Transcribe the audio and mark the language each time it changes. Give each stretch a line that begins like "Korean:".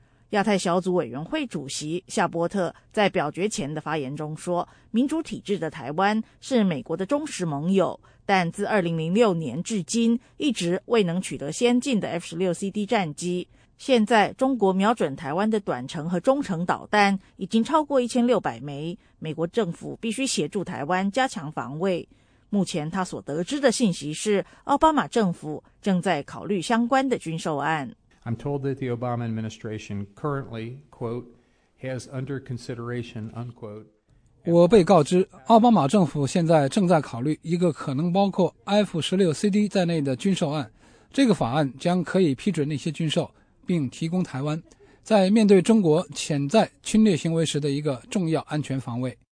Chinese: 亚太小组委员会主席夏波特在表决前的发言中说，民主体制的台湾是美国的忠实盟友，但自2006年至今一直未能取得先进的 F-16 CD 战机。现在中国瞄准台湾的短程和中程导弹已经超过1600枚，美国政府必须协助台湾加强防卫。目前他所得知的信息是，奥巴马政府正在考虑相关的军售案。
English: I'm told that the Obama administration currently, quote, has under consideration, unquote.
Chinese: 我被告知，奥巴马政府现在正在考虑一个可能包括 F-16CD 在内的军售案。这个法案将可以批准那些军售，并提供台湾在面对中国潜在侵略行为时的一个重要安全防卫。